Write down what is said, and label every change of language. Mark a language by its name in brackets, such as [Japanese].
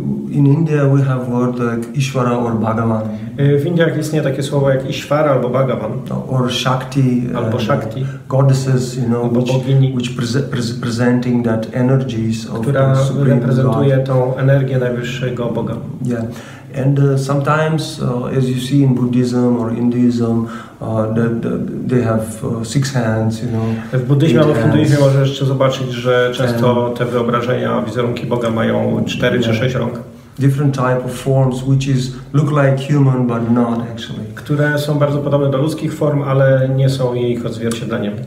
[English] In India we have word like Ishwara or Bhagavan. [Polish] W Indiach istnieje takie słowo jak Ishwara albo Bhagavan. [English] Or Shakti. [Polish] Albo Shakti. [English] Goddesses, you know, which presenting that energies of the Supreme God. [Polish] Która reprezentuje tą energię najwyższego Boga. [English] Yeah. And sometimes, as you see in Buddhism or Hinduism, they have six hands, you know. [Polish] W buddhizmie albo w hinduizmie możesz jeszcze zobaczyć, że często te wyobrażenia, wizerunki Boga mają cztery czy sześć rąk. [English] Different type of forms, which is look like human, but not actually. [Polish] Które są bardzo podobne do ludzkich form, ale nie są ich odzwierciedleniem.